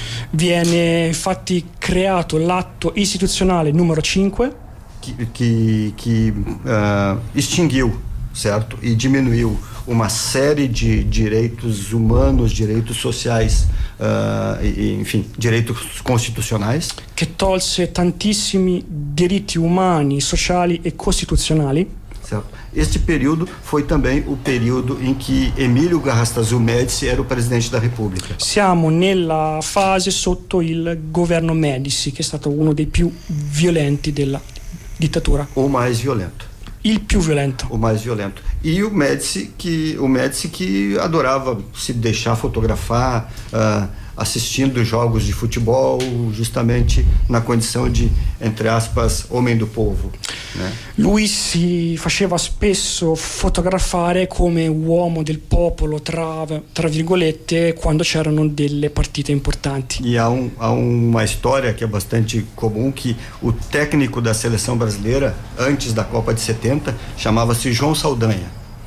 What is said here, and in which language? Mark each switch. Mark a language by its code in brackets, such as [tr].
[it] viene infatti creato l'atto istituzionale numero 5 [pt] che extinguiu, certo, e diminuiu uma série de direitos humanos, direitos sociais, enfim, direitos constitucionais. [it] Que tolse tantissimi diritti umani, sociali e costituzionali. [pt] Certo. Este período foi também o período em que Emílio Garrastazu Médici era o presidente da República. [it] Siamo nella fase sotto il governo Médici, che è stato uno dei più violenti della dittatura. [pt] O mais violento. [it] Il più violento. [pt] O mais violento. E o Médici que adorava se deixar fotografar assistindo jogos de futebol, justamente na condição de, entre aspas, homem do povo, né? [it] Lui si faceva spesso fotografare come uomo del popolo, tra virgolette, quando c'erano delle partite importanti. [pt] E há uma história que é bastante comum, que o técnico da seleção brasileira, antes da Copa de 70, chamava-se João Saldanha.